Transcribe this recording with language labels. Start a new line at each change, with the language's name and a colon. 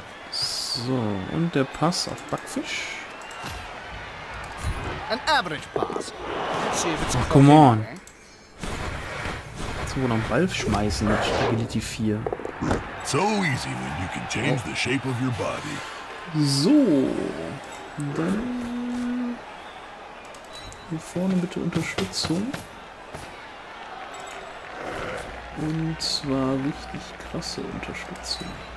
German: So, und der Pass auf Backfisch. Ach,
English: come on.
German: Jetzt wohl noch einen Ball schmeißen nach Agility 4.
English: So easy when you can change the shape of your body.
German: So, dann hier vorne bitte Unterstützung. Und zwar richtig krasse Unterstützung.